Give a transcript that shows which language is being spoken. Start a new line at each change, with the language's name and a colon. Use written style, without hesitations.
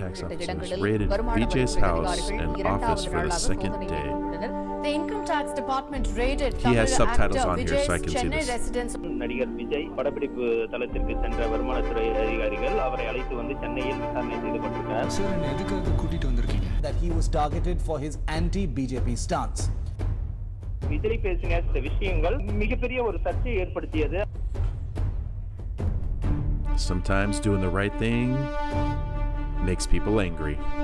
Tamil: உள்ளிட்ட இடங்களில் வருமான அதிகாரிகள் இரண்டாவது
English: The income tax department raided he has subtitles on here so I can Chennai see this
Tamil: நடிகர் விஜய் படப்பிடிப்பு தளத்திற்கு சென்ற வருமான துறை அதிகாரிகள் அவரை அழைத்து வந்து சென்னையில் விசாரணை செய்து கொண்டிருக்கிறார் சார் என்ன எதுக்காக கூட்டிட்டு வந்திருக்கீங்க
English: that he was targeted for his anti BJP stance
Tamil: Vijay பேசின இந்த விஷயங்கள் மிகப்பெரிய ஒரு சர்ச்சையை ஏற்படுத்தியது
English: Sometimes doing the right thing makes people angry.